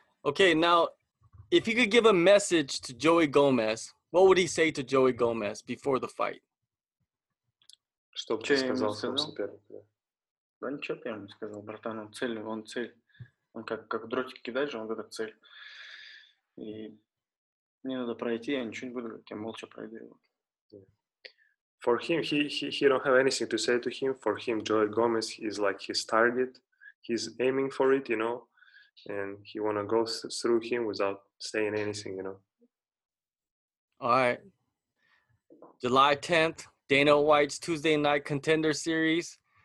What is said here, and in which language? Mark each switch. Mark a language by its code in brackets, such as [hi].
[en] Okay, now, if you could give a message to Joey Gomez, what would he say to Joey Gomez before the fight? [ru] Что бы ты сказал своему сопернику? Да ничего бы я ему не сказал, братан, он цель, он цель. Он как дротик кидает же, он говорит, цель. И мне надо пройти, я ничего не буду говорить, я молча пройду его. [en] For him, he don't have anything to say to him. For him, Joey Gomez is like his target. He's aiming for it, you know, and he want to go through him without saying anything, you know. All right. July 10th, Dana White's Tuesday Night Contender Series.